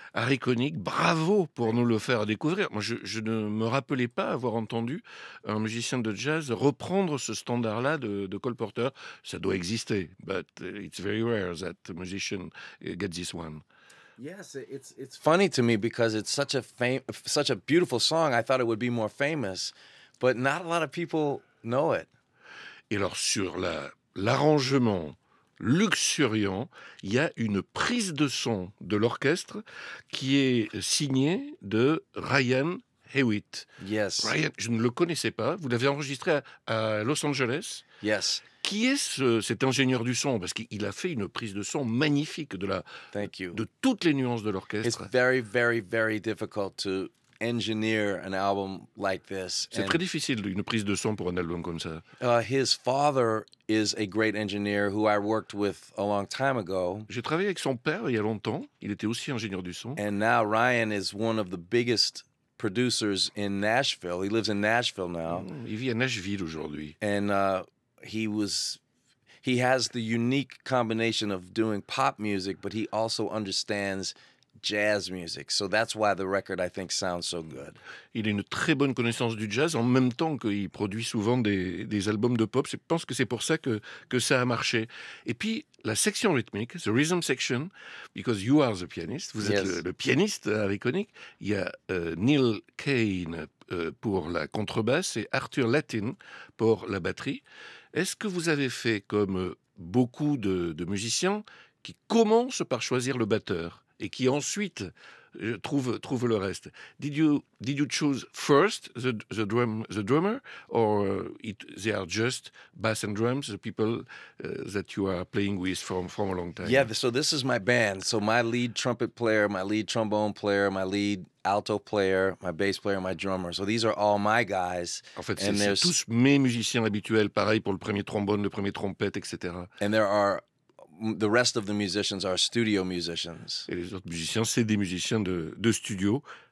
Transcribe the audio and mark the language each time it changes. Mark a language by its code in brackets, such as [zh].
[fr] Harry Connick, bravo pour nous le faire découvrir. Moi, je ne me rappelais pas avoir entendu un musicien de jazz reprendre ce standard-là de Cole Porter. Ça doit exister, [en] but it's very rare that a musician gets this one. Yes, it's funny to me because it's such a such a beautiful song. I thought it would be more famous. But not a lot of people know it. [fr] Et alors sur l'arrangement luxuriant, il y a une prise de son de l'orchestre qui est signée de Ryan Hewitt. [en] Yes. [fr] Ryan, je ne le connaissais pas. Vous l'avez enregistré à Los Angeles. [en] Yes. [fr] Qui est cet ingénieur du son? Parce qu'il a fait une prise de son magnifique [en] Thank you. [fr] De toutes les nuances de l'orchestre. [en] It's very, very, very difficult to engineer an album like this. [fr] C'est très difficile une prise de son pour un album comme ça. [en] His father is a great engineer who I worked with a long time ago. [fr] J'ai travaillé avec son père il y a longtemps. Il était aussi ingénieur du son. [en] And now Ryan is one of the biggest producers in Nashville. He lives in Nashville now. [fr] Il vit à Nashville aujourd'hui. [en] And he has the unique combination of doing pop music, but he also understands jazz music, so that's why the record I think sounds so good. [fr] Il a une très bonne connaissance du jazz en même temps qu'il produit souvent des albums de pop. Je pense que c'est pour ça que ça a marché. Et puis la section rythmique, [en] the rhythm section, because you are the pianist, [fr] vous êtes le pianiste à Harry. Il y a Neil Kane pour la contrebasse et Arthur Latin pour la batterie. Est-ce que vous avez fait comme beaucoup de musiciens qui commencent par choisir le batteur et qui ensuite trouve le reste? [en] Did you choose first the drummer, or they are just bass and drums, the people that you are playing with from a long time? Yeah, so this is my band. So my lead trumpet player, my lead trombone player, my lead alto player, my bass player, my drummer. So these are all my guys. [fr] En fait, c'est tous mes musiciens habituels, pareil pour le premier trombone, le premier trompette, etc. [en] And there are the rest of the musicians are studio musicians. [fr] Et les autres musiciens, c'est des musiciens de studio.